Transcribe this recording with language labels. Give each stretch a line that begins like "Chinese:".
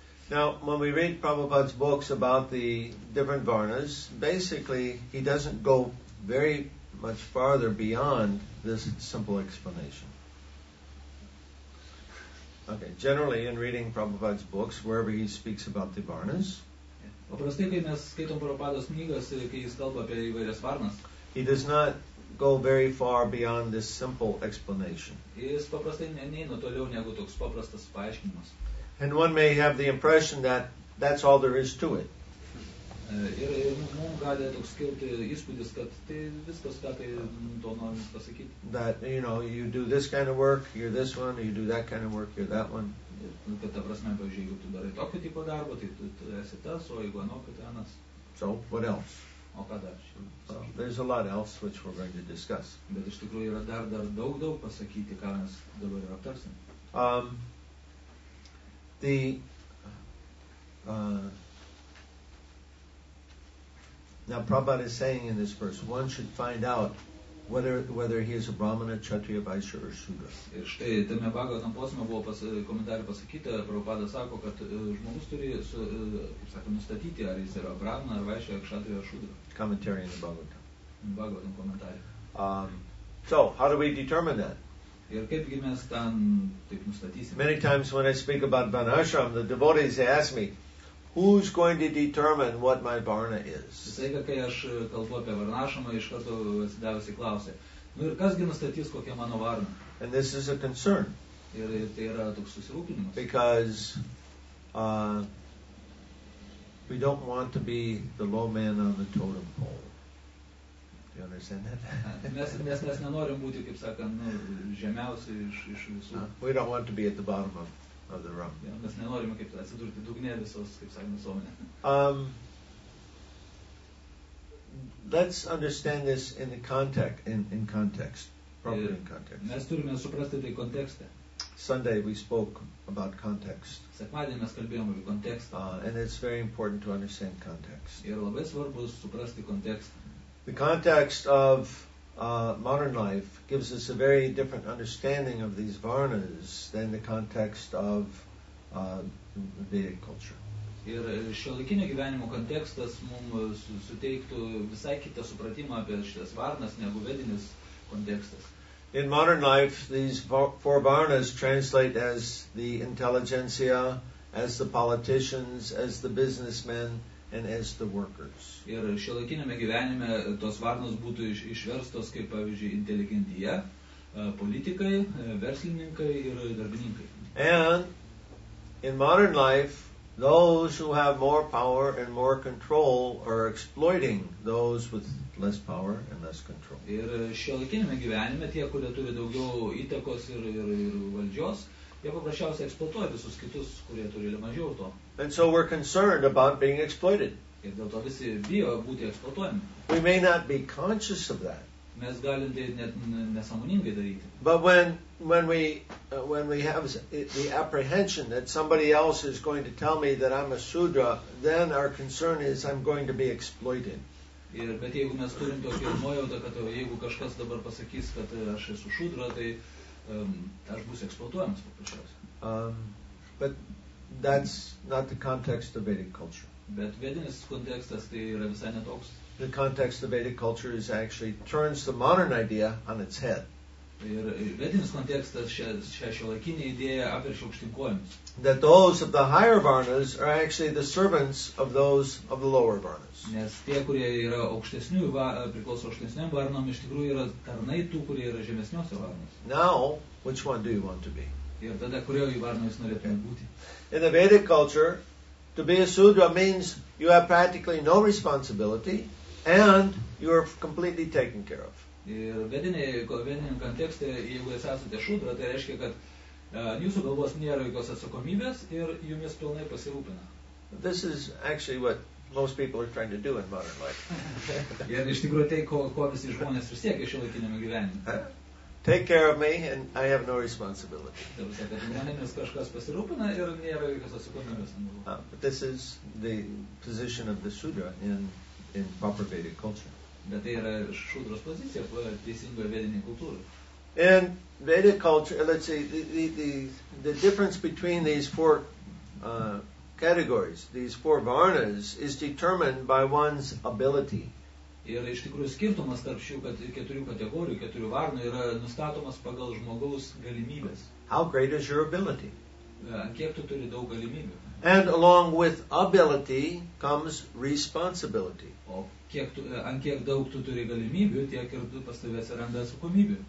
English: Now, when we read Prabhupada's books about the different varnas, basically he doesn't go very much farther beyond this simple explanation. Okay, generally in reading Prabhupada's books, wherever he speaks about the varnas,
Lithuanian: paprastai, kai mes skaitom Prabhupados knygas, kai jis kalba apie įvairias varnas,
English: he does not go very far beyond this simple explanation.
Lithuanian: Jis paprastai neina toliau negu toks paprastas paaiškinimas.
English: And one may have the impression that that's all there is to it.
Lithuanian: Ir mums gali toks kilti įspūdis, kad tai viskas, ką tai to norim pasakyti.
English: That, you know, you do this kind of work, you're this one, you do that kind of work, you're that one.
Lithuanian: Kad ta prasme, pavyzdžiui, jeigu tu darai tokio tipo darbo, tai tu esi tas, o jeigu anokio, tai anas.
English: So, what else?
Lithuanian: O ką dar?
English: There's a lot else which we're going to discuss.
Lithuanian: Bet iš tikrųjų yra dar daug pasakyti, ką mes dabar ir aptarsim.
English: Now Prabhupada is saying in this verse, one should find out whether he is a Brahmana, Kshatriya, Vaishya or Shudra.
Lithuanian: Ir štai tame Bhagavatam posme buvo komentarė pasakyta, Prabhupada sako, kad žmogus turi nustatyti, ar jis yra Brahmana, Vaishya, Kshatriya, Shudra.
English: Commentary in the Bhagavatam.
Lithuanian: Bhagavatam komentarė.
English: So, how do we determine that?
Lithuanian: Ir kaipgi mes tam taip nustatysime?
English: Many times when I speak about Vanashram, the devotees ask me, who's going to determine what my varna is?
Lithuanian: Sveika, kai aš kalbu apie varnašamą, iš karto atsidavusi klausė. Nu ir kasgi nustatys, kokia mano varna?
English: And this is a concern.
Lithuanian: Ir tai yra toks susirūpinimas.
English: Because we don't want to be the low man on the totem pole. Do you understand that?
Lithuanian: Mes nenorim būti, kaip sakant, žemiausi iš visų.
English: We don't want to be at the bottom of the rung.
Lithuanian: Mes nenorim kaip atsidurti dugne visos, kaip sakant, visuomenė.
English: Let's understand this in the context, in context, properly in context.
Lithuanian: Mes turime suprasti tai kontekste.
English: Sunday we spoke about context.
Lithuanian: Sekmadienį mes kalbėjome apie kontekstą.
English: And it's very important to understand context.
Lithuanian: Ir labai svarbu suprasti kontekstą.
English: The context of modern life gives us a very different understanding of these varnas than the context of Vedic culture.
Lithuanian: Ir šiuolaikinio gyvenimo kontekstas mums suteiktų visai kitą supratimą apie šitas varnas negu vedinis kontekstas.
English: In modern life, these four varnas translate as the intelligentsia, as the politicians, as the businessmen, and as the workers.
Lithuanian: Ir šiuolaikiniame gyvenime tos varnos būtų išverstos kaip, pavyzdžiui, inteligentija, politikai, verslininkai ir darbininkai.
English: And in modern life, those who have more power and more control are exploiting those with less power and less control.
Lithuanian: Ir šiuolaikiniame gyvenime tie, kurie turi daugiau įtakos ir valdžios, jie paprasčiausiai eksploatuoja visus kitus, kurie turi mažiau to.
English: And so we're concerned about being exploited.
Lithuanian: Ir dėl to visi bijo būti eksploatuojami.
English: We may not be conscious of that.
Lithuanian: Mes galim tai net nesąmoningai daryti.
English: But when we have the apprehension that somebody else is going to tell me that I'm a Shudra, then our concern is I'm going to be exploited.
Lithuanian: Ir bet jeigu mes turim tokį nuojautą, kad jeigu kažkas dabar pasakys, kad aš esu Shudra, tai aš būsiu eksploatuojamas paprasčiausiai.
English: But that's not the context of Vedic culture.
Lithuanian: Bet vedinis kontekstas tai yra visai ne toks.
English: The context of Vedic culture is actually turns the modern idea on its head.
Lithuanian: Ir vedinis kontekstas šią šiuolaikinę idėją apverčia aukštyn kojomis.
English: That those of the higher varnas are actually the servants of those of the lower varnas.
Lithuanian: Nes tie, kurie yra aukštesnių priklauso aukštesniam varnom, iš tikrųjų yra tarnai tų, kurie yra žemesniuose varnos.
English: Now, which one do you want to be?
Lithuanian: Ir tada kurio varno jūs norėtumėte būti?
English: In the Vedic culture, to be a Shudra means you have practically no responsibility and you are completely taken care of.
Lithuanian: Ir vediniam kontekste, jeigu jūs esate Shudra, tai reiškia, kad jūsų galvos nėra jokios atsakomybės ir jumis pilnai pasirūpina.
English: This is actually what most people are trying to do in modern life.
Lithuanian: Ir iš tikrųjų tai, ko visi žmonės ir siekia šiuolaikiniame gyvenime.
English: Take care of me and I have no responsibility. But this is the position of the Shudra in proper Vedic culture. In Vedic culture, let's see, the difference between these four categories, these four varnas, is determined by one's ability.
Lithuanian: Ir iš tikrųjų skirtumas tarp šių keturių kategorijų, keturių varnų, yra nustatomas pagal žmogaus galimybės.
English: How great is your ability?
Lithuanian: Kiek tu turi daug galimybių?
English: And along with ability comes responsibility.
Lithuanian: O kiek tu, ant kiek daug tu turi galimybių, tiek ir tu pas tavęs randa atsakomybių.